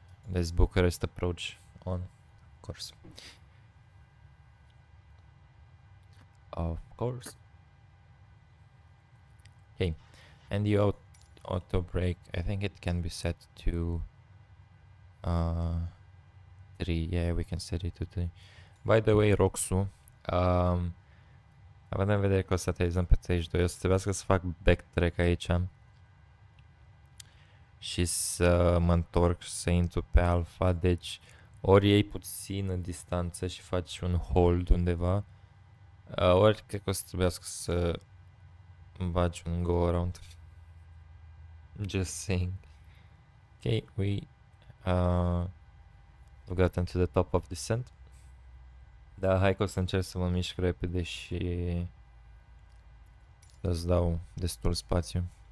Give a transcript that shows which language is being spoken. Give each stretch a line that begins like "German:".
English: There's Bucharest approach on course. Of course. Okay, and the auto brake, I think it can be set to 3. Yeah, we can set it to 3.
Romanian: By the way, Roxu, având în vedere că o să te ajutăm pe 32, o să trebuiască să fac backtrack aici și să mă întorc, să intru pe alfa, deci ori iei puțin în distanță și faci un hold undeva, ori cred că o să trebuiască să bagi un go around.
English: Just saying. Okay, we've gotten to the top of descent.
Romanian: Da, hai că o să încerc să mă mișc repede și să-ți dau destul spațiu.